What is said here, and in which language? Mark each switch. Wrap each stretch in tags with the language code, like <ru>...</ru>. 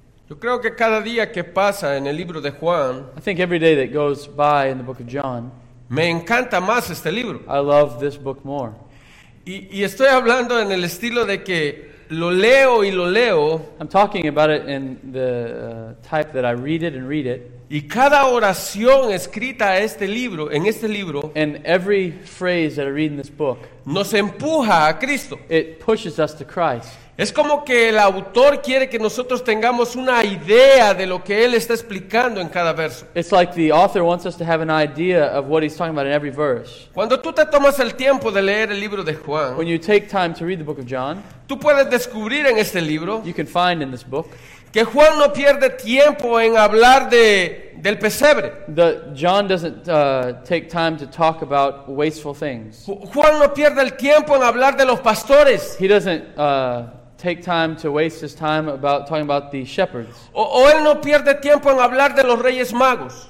<es>Yo creo que cada día que pasa en el libro de Juan,</es> <en>I think every day that goes by in the book of John,</en> <es>me encanta más este libro.</es> <en>I love this book more.</en> <es>Y estoy hablando en el estilo de que lo leo y lo leo.</es> <en>I'm talking about it in the type that I read it and read it.</en> <es>Y cada oración escrita a este libro, en este libro,</es> <en>and every phrase that I read in this book,</en> <es>nos empuja a Cristo.</es> <en>It pushes us to Christ.</en> <es>Es como que el autor quiere que nosotros tengamos una idea de lo que él está explicando en cada verso.</es> <en>It's like the author wants us to have an idea of what he's talking about in every verse.</en> <es>Cuando tú te tomas el tiempo de leer el libro de Juan,</es> <en>when you take time to read the book of John,</en> <es>tú puedes descubrir en este libro,</es> <en>you can find in this book,</en> <es>que Juan no pierde tiempo en hablar del pesebre.</es> <en>John doesn't take time to talk about wasteful things.</en> <es>Juan no pierde el tiempo en hablar de los pastores.</es> <en>He doesn't take time to waste his time about talking about the shepherds.</en> <es>O él no pierde tiempo en hablar de los reyes magos.</es>